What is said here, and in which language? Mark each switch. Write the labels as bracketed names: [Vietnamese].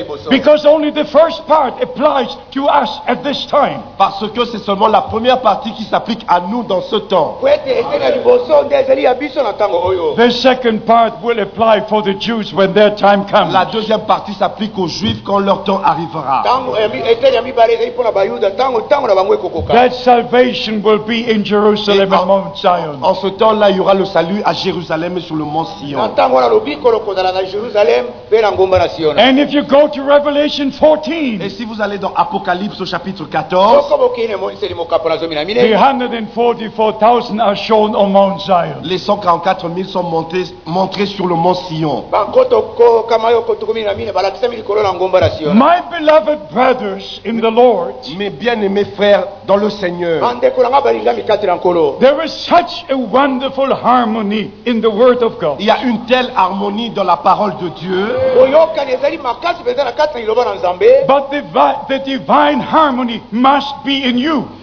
[English] Because only the first part applies to us at this time. [French] Parce que c'est seulement la première partie qui s'applique à nous dans ce temps. [English] The second part will apply for the Jews when their time comes. [French] La deuxième partie s'applique aux Juifs quand leur temps arrivera. [English] That salvation will be in Jerusalem and Mount Zion. [French] En ce temps-là, il y aura le salut à Jérusalem et sur le Mont Sion. [English] And if you go to Revelation 14, [French] et si vous allez dans Apocalypse au chapitre 14, [English] the 144,000 are shown on Mount Zion. [French] Les 144,000 sont montrés sur le Mont Sion. [English] My beloved brothers in the Lord, [French] mes bien-aimés frères dans le Seigneur, [English] there is such a wonderful harmony in the Word of God. [French] Il y a une telle harmonie dans la parole de Dieu. [English] But the divine harmony must be in you.